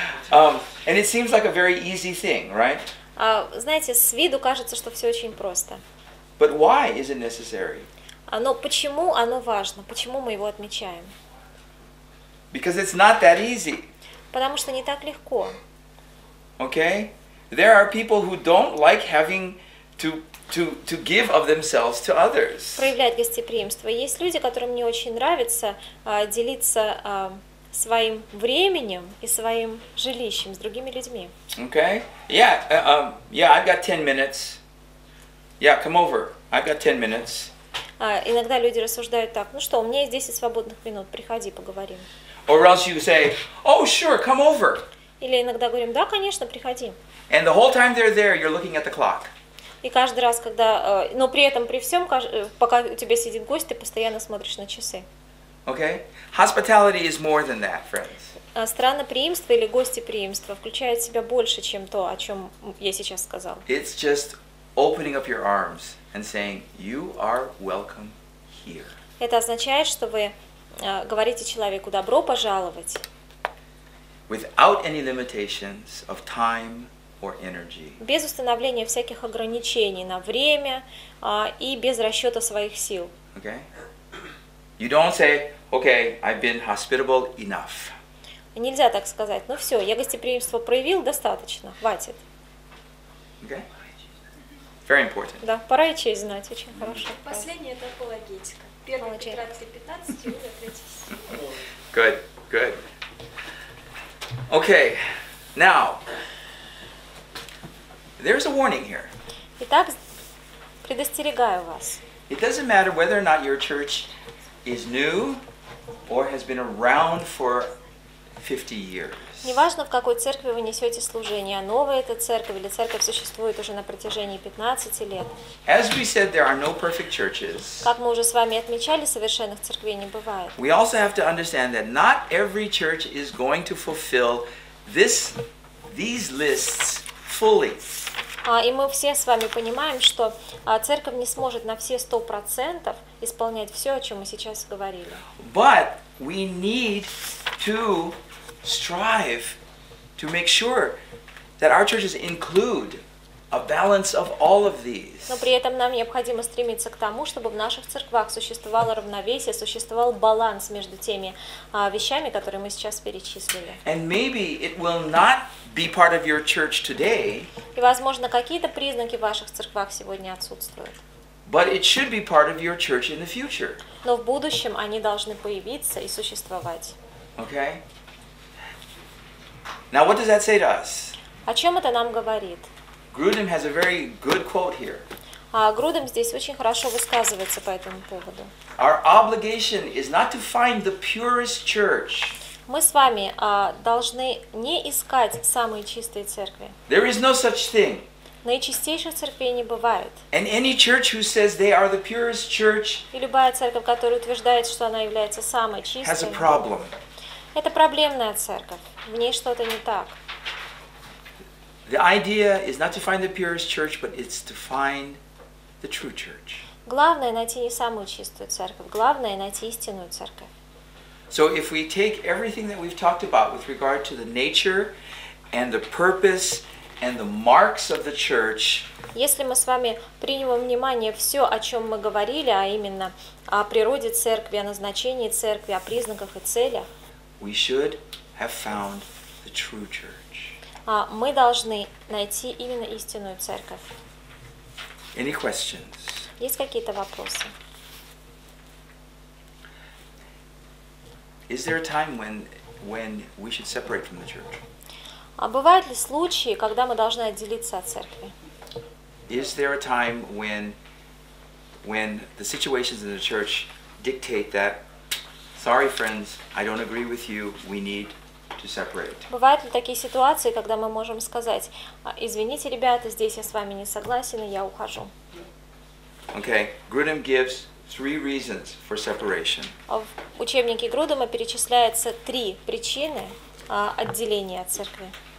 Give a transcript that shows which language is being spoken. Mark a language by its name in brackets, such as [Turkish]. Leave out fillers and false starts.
[English] And it seems like a very easy thing, right? [Russian] Знаете, с виду кажется, что все очень просто. [English] But why is it necessary? [Russian] Но почему оно важно? Почему мы его отмечаем? [English] Because it's not that easy. [Russian] Потому что не так легко. [English] Okay? There are people who don't like having to give of themselves to others. [Russian] Проявлять гостеприимство. Есть люди, которым не очень нравится делиться своим временем и своим жилищем с другими людьми. [English] Okay? Yeah, I've got 10 minutes. Yeah, come over. I've got 10 minutes. [Russian] Иногда люди рассуждают так: ну что, у меня есть 10 свободных минут, приходи, поговорим. [English] Or else you say, oh, sure, come over. [Russian] Или иногда говорим: да, конечно, приходи. [English] And the whole time they're there, you're looking at the clock. [Russian] И каждый раз, когда, но при этом, при всем, пока у тебя сидит гость, ты постоянно смотришь на часы. [English] Okay? Hospitality is more than that, friends. [Russian] Странноприимство или гостеприимство включает в себя больше, чем то, о чем я сейчас сказал. [English] It's just opening up your arms and saying, you are welcome here. [Russian] Это означает, что вы говорите человеку: добро пожаловать. [English] Without any limitations of time or energy. [Russian] Без установления всяких ограничений на время и без расчета своих сил. [English] Okay? You don't say, okay, I've been hospitable enough. [Russian] Нельзя так сказать: ну все, я гостеприимство проявил, достаточно, хватит. [English] Okay? Very important. [Russian] Да, пора и честь знать, очень хорошо. Последнее – это апологетика. 1 Петра 3:15, [English] Good, good. Okay, now, there's a warning here. [Russian] Итак, предостерегаю вас. [English] It doesn't matter whether or not your church is new or has been around for 50 years. [Russian] Неважно, в какой церкви вы несете служение, новая эта церковь или церковь существует уже на протяжении 15 лет. [English] As we said, there are no perfect churches. [Russian] Как мы уже с вами отмечали, совершенных церквей не бывает. [English] We also have to understand that not every church is going to fulfill these lists fully. [Russian] И мы все с вами понимаем, что церковь не сможет на все 100% исполнять все, о чем мы сейчас говорили. [English] But we need to strive to make sure that our churches include a balance of all of these. [Russian] Но при этом нам необходимо стремиться к тому, чтобы в наших церквах существовало равновесие, существовал баланс между теми вещами, которые мы сейчас перечислили. [English] And maybe it will not be part of your church today. [Russian] И возможно, какие-то признаки в ваших церквах сегодня отсутствуют. [English] But it should be part of your church in the future. [Russian] Но в будущем они должны появиться и существовать. [English] Okay? Now, what does that say to us? [Russian] О чем это нам говорит? [English] Grudem has a very good quote here. [Russian] Grudem здесь очень хорошо высказывается по этому поводу. [English] Our obligation is not to find the purest church. [Russian] Мы с вами должны не искать самые чистые церкви. [English] There is no such thing. [Russian] Наичистейших церквей не бывает. [English] And any church who says they are the purest church. [Russian] И любая церковь, которая утверждает, что она является самой чистой, [English] has a problem. [Russian] Это проблемная церковь. В ней что-то не так. [English] The idea is not to find the purest church, but it's to find the true church. [Russian] Главное — найти не самую чистую церковь. Главное — найти истинную церковь. [English] So if we take everything that we've talked about with regard to the nature and the purpose and the marks of the church. [Russian] Если мы с вами примем во внимание все, о чем мы говорили, а именно о природе церкви, о назначении церкви, о признаках и целях. [English] We should have found the true church. [Russian] Мы должны найти именно истинную церковь. [English] Any questions? [Russian] Есть какие-то вопросы? [English] Is there a time when we should separate from the church? [Russian] Бывают ли случаи, когда мы должны отделиться от церкви? [English] Is there a time when the situations in the church dictate that? Sorry, friends, I don't agree with you. We need to separate. [Russian] Бывают ли такие ситуации, когда мы можем сказать: извините, ребята, здесь я с вами не согласен, и я ухожу? [English] Okay, Grudem gives three reasons for separation. [Russian] В учебнике Грудема перечисляются три причины отделения от церкви.